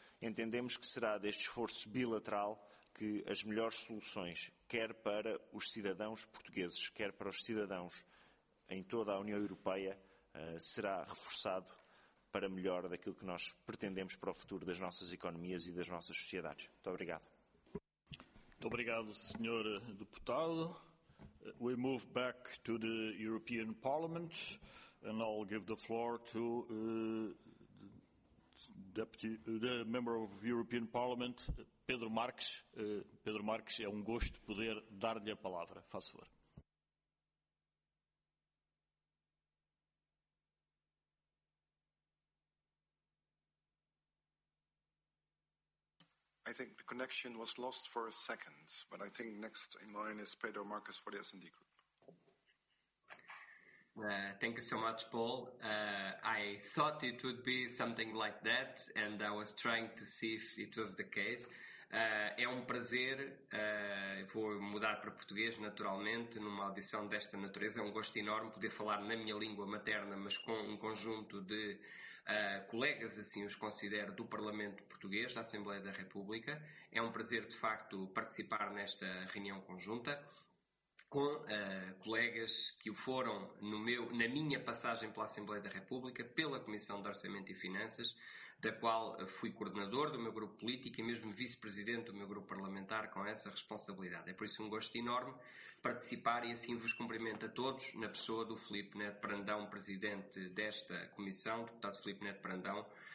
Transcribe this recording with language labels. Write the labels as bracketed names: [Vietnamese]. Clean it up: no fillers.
[Portuguese] Entendemos que será deste esforço bilateral que as melhores soluções, quer para os cidadãos portugueses, quer para os cidadãos em toda a União Europeia, será reforçado para melhor daquilo que nós pretendemos para o futuro das nossas economias e das nossas sociedades. Muito obrigado. Muito obrigado, Sr. Deputado. [English] We move back to the European Parliament and I'll give the floor to the member of the European Parliament, Pedro Marques. [Portuguese] Pedro Marques, é um gosto poder dar-lhe a palavra. Faz favor. [English] I think the connection was lost for a second, but I think next in line is Pedro Marques for the S&D group. Thank you so much, Paul. I thought it would be something like that, and I was trying to see if it was the case. [Portuguese] É um prazer, vou mudar para português naturalmente, numa audição desta natureza, é um gosto enorme poder falar na minha língua materna, mas com um conjunto de colegas, assim os considero, do Parlamento Português, da Assembleia da República. É um prazer, de facto, participar nesta reunião conjunta com colegas que o foram na minha passagem pela Assembleia da República, pela Comissão de Orçamento e Finanças, da qual fui coordenador do meu grupo político e mesmo vice-presidente do meu grupo parlamentar com essa responsabilidade. É por isso um gosto enorme participar e assim vos cumprimento a todos na pessoa do Filipe Neto Brandão, presidente desta comissão, deputado Filipe Neto Brandão,